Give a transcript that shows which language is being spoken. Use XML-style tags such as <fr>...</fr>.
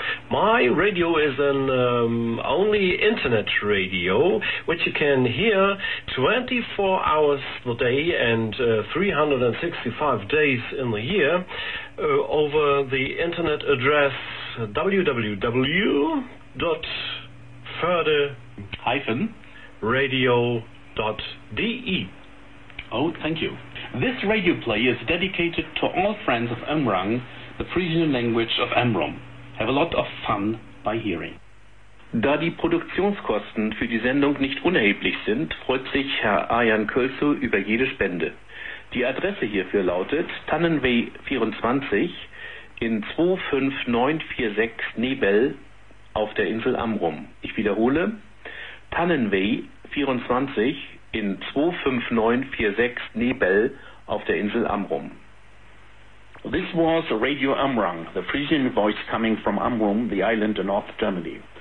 <en>My radio is an only internet radio, which you can hear 24 hours a day and 365 days in the year over the internet address www.förde-radio.de. Oh, thank you. This radio play is dedicated to all friends of Amrang, the Frisian language of Amrom. Have a lot of fun by hearing.</en> <de>Da die Produktionskosten für die Sendung nicht unerheblich sind, freut sich Herr Arjan Kölso über jede Spende. Die Adresse hierfür lautet Tannenweh 24 in 25946 Nebel auf der Insel Amrum. Ich wiederhole, Tannenweh 24 in 25946 Nebel auf der Insel Amrum.</de> <en>This was Radio Amrang, the Frisian voice coming from Amrum, the island in North Germany.</en>